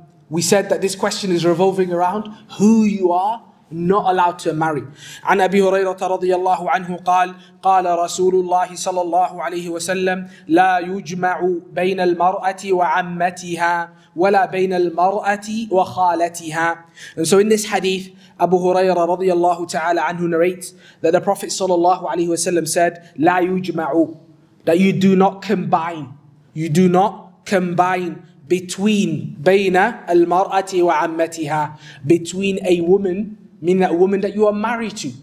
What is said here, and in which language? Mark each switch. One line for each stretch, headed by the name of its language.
English: We said that this question is revolving around who you are not allowed to marry.
Arabic: عن أبي هريرة رضي الله عنه قال قال رسول الله صلى الله عليه وسلم لا يجمع بين المرأة وعمتها ولا بين المرأة وخالتها.
English: And so in this hadith, Abu Hurairah
Arabic: رضي الله تعالى عنه
English: narrates that the Prophet
Arabic: صلى الله عليه وسلم
English: said
Arabic: لا يجمع,
English: that you do not combine, you do not combine between
Arabic: بين المرأة وعمتها,
English: between a woman, meaning that woman that you are married to.